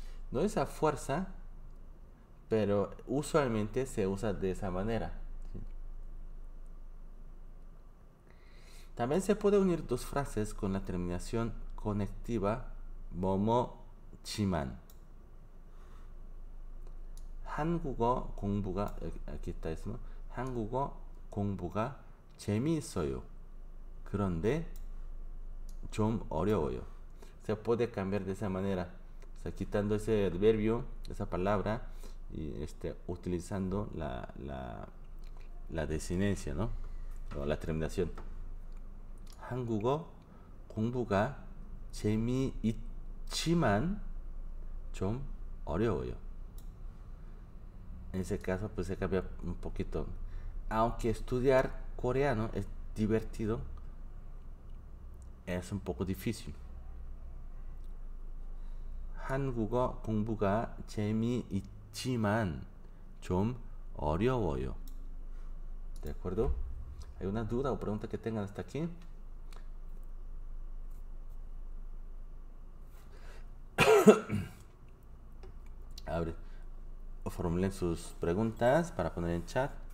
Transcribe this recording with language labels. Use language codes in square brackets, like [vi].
[es] No es a fuerza, pero usualmente se usa de esa manera. También se puede unir dos frases con la terminación conectiva momo chiman. [ko] 한국어 공부가 아, 기타 있으면 한국어 공부가 재미있어요. 그런데 좀 어려워요. [es] Se puede cambiar de esa manera, o sea, quitando ese adverbio, esa palabra, y utilizando la desinencia, ¿no? O la terminación. [ko] 한국어 공부가 재미있지만 좀 어려워요. [es] En ese caso, pues se cambia un poquito. Aunque estudiar coreano es divertido, es un poco difícil. [ko] 한국어 공부가 재미있지만 좀 어려워요. [es] ¿De acuerdo? ¿Hay una duda o pregunta que tengan hasta aquí? Abre. Formulen sus preguntas para poner en chat.